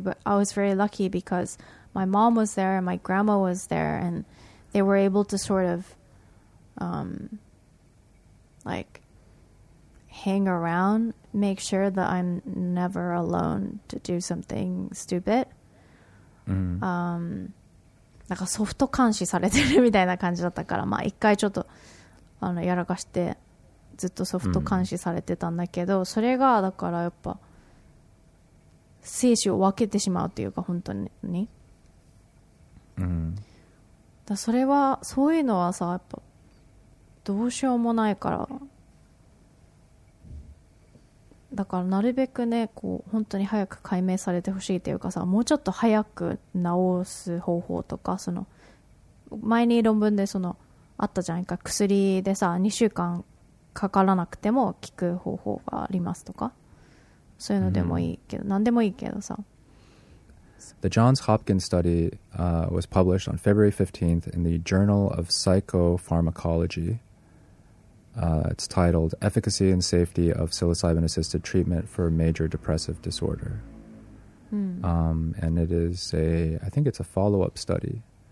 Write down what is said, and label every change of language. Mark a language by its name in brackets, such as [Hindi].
[English] But I was very lucky because my mom was there and my grandma was there, and they were able to sort of like hang around, make sure that I'm never alone to do something stupid. [Japanese] なんかソフト監視されてるみたいな感じだったから、まあ一回ちょっとやらかしてずっとソフト監視されてたんだけど、それがだからやっぱ精子を分けてしまうというか、本当にだそれはそういうのはさやっぱどうしようもないからだからなるべくねこう本当に早く解明されてほしいというかさもうちょっと早く治す方法とかその前に論文でそのあったじゃないか薬でさ2週間かからなくても効く方法がありますとかそういうのでもいいけど、何でもいいけどさ [English] The Johns Hopkins study was published on February 15th in the Journal of Psychopharmacology. It's titled Efficacy and Safety of Psilocybin-Assisted Treatment for Major Depressive Disorder. And it is a, I think it's a follow-up study.